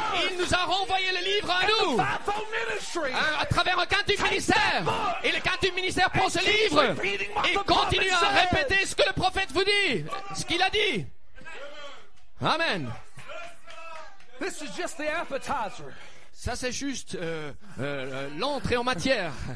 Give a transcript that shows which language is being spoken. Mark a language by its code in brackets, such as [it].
[fr] Il nous a renvoyé le livre à nous à travers un quintuple ministère. Et le quintuple ministère prend ce livre et continue à répéter ce que le prophète vous dit, ce qu'il a dit. Amen. [en] This is just the appetizer. [fr] Ça, c'est juste l'entrée en matière.